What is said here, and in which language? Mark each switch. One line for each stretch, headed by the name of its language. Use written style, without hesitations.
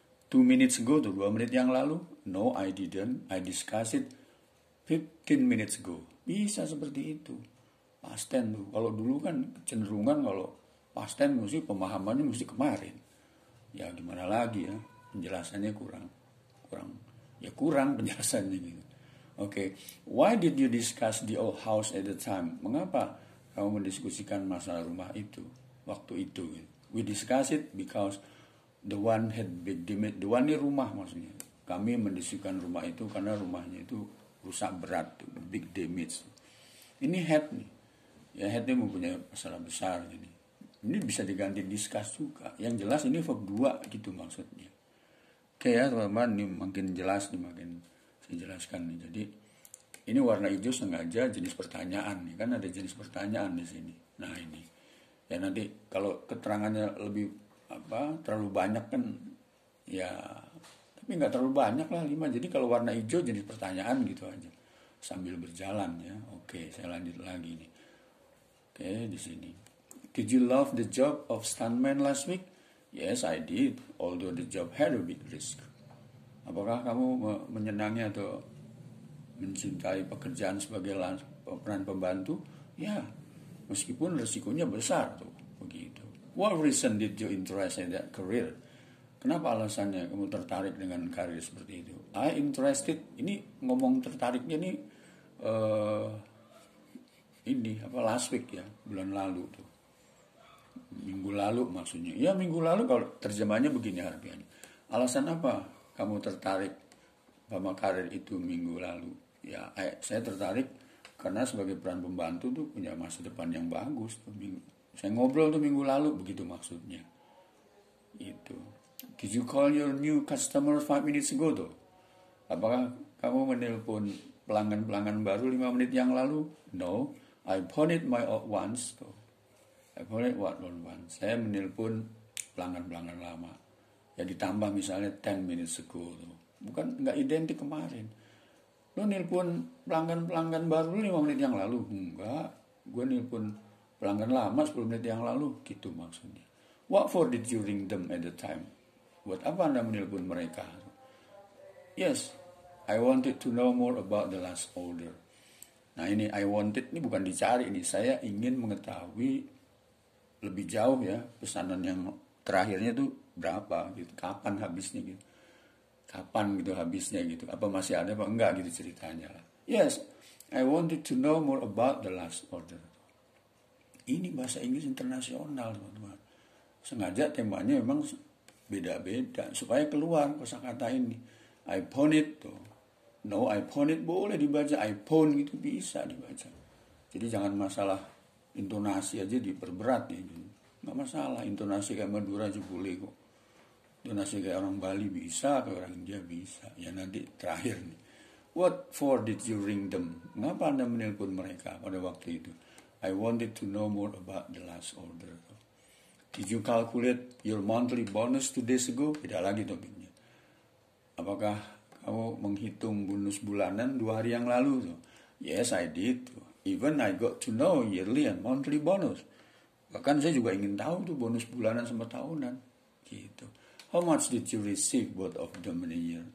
English: 2 minutes ago,
Indonesian: 2 menit yang lalu?
English: No, I didn't. I discussed it 15 minutes ago.
Indonesian: Bisa seperti itu. Past tense tuh. Kalau dulu kan cenderungan kalau past tense mesti pemahamannya mesti kemarin. Ya gimana lagi ya? Penjelasannya kurang. Kurang. Ya kurang penjelasannya gitu. Oke. Okay.
English: Why did you discuss the old house at the time?
Indonesian: Mengapa kamu mendiskusikan masalah rumah itu waktu itu?
English: We discuss it because the one had been damaged. The one
Indonesian: ini rumah maksudnya. Kami mendiskusikan rumah itu karena rumahnya itu rusak berat,
English: big damage.
Indonesian: Ini head nih. Ya head ini mempunyai masalah besar ini. Ini bisa diganti discuss juga. Yang jelas ini verb 2 gitu maksudnya. Oke ya teman-teman, ini makin jelas nih, makin saya jelaskan nih. Jadi ini warna hijau sengaja jenis pertanyaan nih. Kan ada jenis pertanyaan di sini. Nah ini. Ya nanti kalau keterangannya lebih apa terlalu banyak kan ya, tapi nggak terlalu banyak lah 5. Jadi kalau warna hijau jenis pertanyaan gitu aja sambil berjalan ya. Oke, saya lanjut lagi nih. Oke, di sini.
English: Did you love the job of stuntman last week? Yes, I did, although the job had a big risk.
Indonesian: Apakah kamu menyenangi atau mencintai pekerjaan sebagai peran pembantu? Ya, meskipun resikonya besar tuh, begitu.
English: What reason did you interest in that career?
Indonesian: Kenapa alasannya kamu tertarik dengan karir seperti itu?
English: I interested,
Indonesian: ini ngomong tertariknya ini apa
English: last week
Indonesian: ya, bulan lalu tuh. Minggu lalu maksudnya. Ya minggu lalu kalau terjemahannya begini harfiahnya. Alasan apa kamu tertarik sama karir itu minggu lalu? Ya saya tertarik karena sebagai peran pembantu tuh punya masa depan yang bagus tuh minggu. Saya ngobrol tuh minggu lalu, begitu maksudnya. Itu.
English: Did you call your new customer 5 minutes ago though?
Indonesian: Apakah kamu menelpon pelanggan-pelanggan baru 5 menit yang lalu?
English: No, I phoned my old ones though. I phoned what old ones?
Indonesian: Saya menelpon pelanggan-pelanggan lama. Ya ditambah misalnya
English: 10 minutes ago though.
Indonesian: Bukan, enggak identik kemarin. Lo nelpon pelanggan-pelanggan baru 5 menit yang lalu? Enggak, gue nelpon pelanggan lama 10 menit yang lalu, gitu maksudnya.
English: What for did you ring them at the time?
Indonesian: Buat apa Anda menelpon mereka?
English: Yes, I wanted to know more about the last order.
Indonesian: Nah ini,
English: I wanted,
Indonesian: ini bukan dicari ini. Saya ingin mengetahui lebih jauh ya, pesanan yang terakhirnya itu berapa, gitu. Kapan habisnya gitu. Kapan gitu habisnya gitu. Apa masih ada apa enggak gitu ceritanya.
English: Yes, I wanted to know more about the last order.
Indonesian: Ini bahasa Inggris internasional, teman-teman. Sengaja temanya memang beda-beda supaya keluar kosakata ini.
English: I pawn it
Indonesian: tuh.
English: No, I pawn it
Indonesian: boleh dibaca.
English: I pawn
Indonesian: gitu bisa dibaca. Jadi jangan masalah intonasi aja diperberat ya. Enggak masalah, intonasi kayak Madura aja boleh kok. Intonasi kayak orang Bali bisa, kayak orang India bisa. Ya nanti terakhir nih.
English: What for did you ring them?
Indonesian: Ngapa Anda menelpon mereka pada waktu itu?
English: I wanted to know more about the last order. Did you calculate your monthly bonus 2 days ago?
Indonesian: Tidak lagi topiknya. Apakah kamu menghitung bonus bulanan 2 hari yang lalu?
English: Yes, I did. Even I got to know yearly and monthly bonus.
Indonesian: Bahkan saya juga ingin tahu tuh bonus bulanan sama tahunan. Gitu.
English: How much did you receive both of them in a year?